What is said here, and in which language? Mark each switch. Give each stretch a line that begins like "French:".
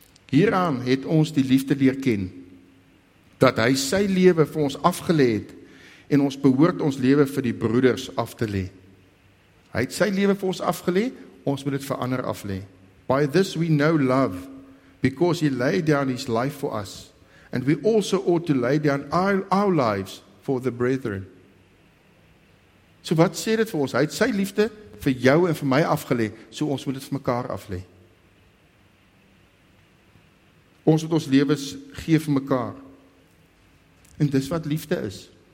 Afrikaans: Hieraan het ons die liefde leer ken, dat hy sy lewe vir ons afgelê het, en ons behoort ons lewe vir die broeders af te lê. Hy het sy lewe vir ons afgelê, ons moet dit vir ander af lê.
English: By this we know love, because he laid down his life for us, and we also ought to lay down our lives for the brethren.
Afrikaans: So wat sê dit vir ons? Hy het sy liefde vir jou en vir my afgelê, so ons moet dit vir mekaar af lê. Ons moet ons lewens gee vir mekaar. En dis wat liefde is.